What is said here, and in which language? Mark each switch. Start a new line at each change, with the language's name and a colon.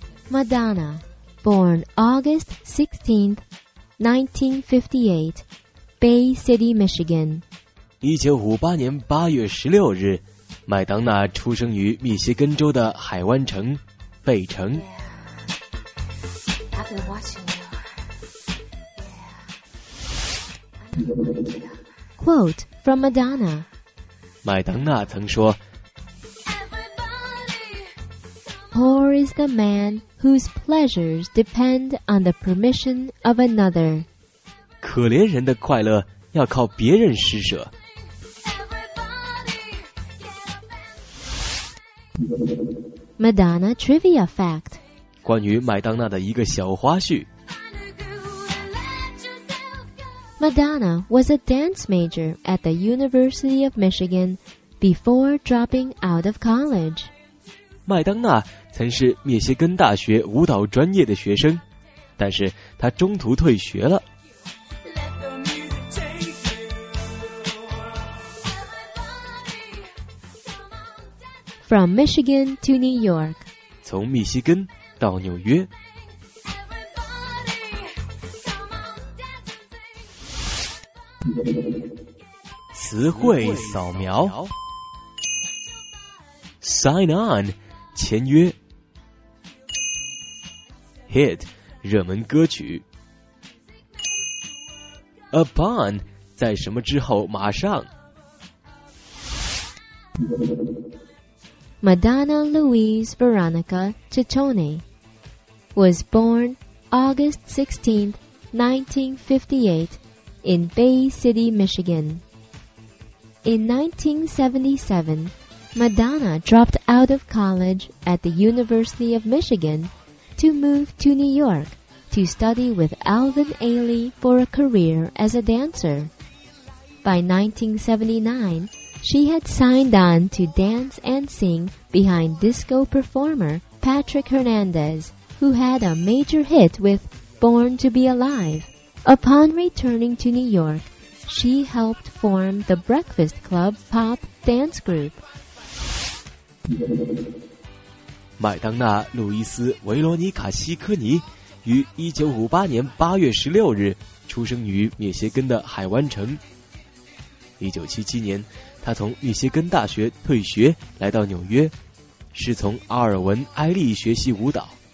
English: Madonna, born August 16th, 1958, Bay City, Michigan.
Chinese: 1958年8月16日，麦当娜出生于密歇根州的海湾城，费城。
English: Quote from Madonna.
Chinese: 麦当娜曾说
English: Poor is the man whose pleasures depend on the permission of another.
Chinese: 可怜人的快乐要靠别人施舍。
English: Madonna trivia fact.
Chinese: 关于麦当娜的一个小花絮。
English: Madonna was a dance major at the University of Michigan before dropping out of college.
Chinese: 麦当娜曾是密歇根大学舞蹈专业的学生，但是她中途退学了。
English: From Michigan to New York.
Chinese: 从密歇根到纽约。词汇扫描 Sign on 签约 Hit 热门歌曲 Upon 在什么之后马上
English: Madonna Louise Veronica Ciccone was born August 16th 1958in Bay City, Michigan. In 1977, Madonna dropped out of college at the University of Michigan to move to New York to study with Alvin Ailey for a career as a dancer. By 1979, she had signed on to dance and sing behind disco performer Patrick Hernandez, who had a major hit with Born to Be Alive. Upon returning to New York, she helped form the Breakfast Club pop dance group.
Chinese: 麦当娜·路易斯·维罗尼卡·西科尼于1958年8月16日出生于密歇根的海湾城。 1977年，她从密歇根大学退学来到纽约，是从阿尔文·埃利学习舞蹈。